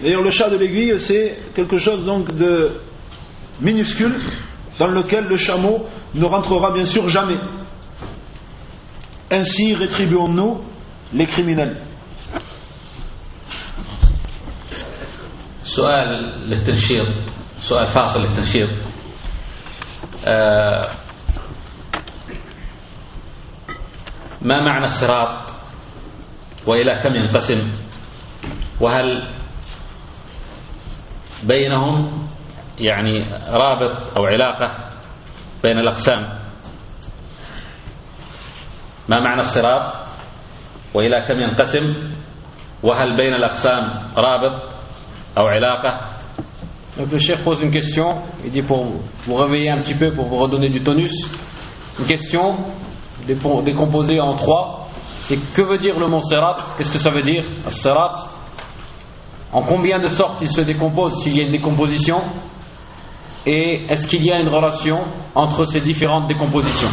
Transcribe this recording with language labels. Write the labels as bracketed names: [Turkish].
[French] D'ailleurs, le chat de l'aiguille, c'est quelque chose donc de minuscule dans lequel le chameau ne rentrera bien sûr jamais. Ainsi rétribuons-nous les criminels. [Arabic] سؤال للتنشير سؤال فاصل للتنشير ما معنى الصراط وإلى كم ينقسم وهل بينهم يعني رابط أو علاقة بين الأقسام ما معنى الصراط وإلى كم ينقسم وهل بين الأقسام رابط أو علاقة. [French] Donc le cheikh pose une question, il dit pour vous réveiller un petit peu, pour vous redonner du tonus, une question décomposée en trois. C'est que veut dire le mot sirat? Qu'est-ce que ça veut dire, sirat? En combien de sortes il se décompose, s'il y a une décomposition? Et est-ce qu'il y a une relation entre ces différentes décompositions?